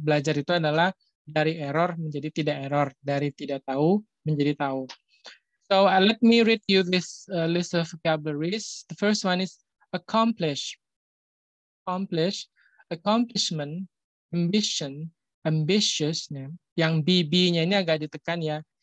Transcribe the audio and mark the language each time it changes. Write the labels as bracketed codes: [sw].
[id] Belajar itu adalah dari error menjadi tidak error, dari tidak tahu menjadi tahu. [en] So let me read you this list of vocabularies. The first one is accomplish, accomplishment, ambition, ambitious. [id] Yang BB-nya ini agak ditekan ya.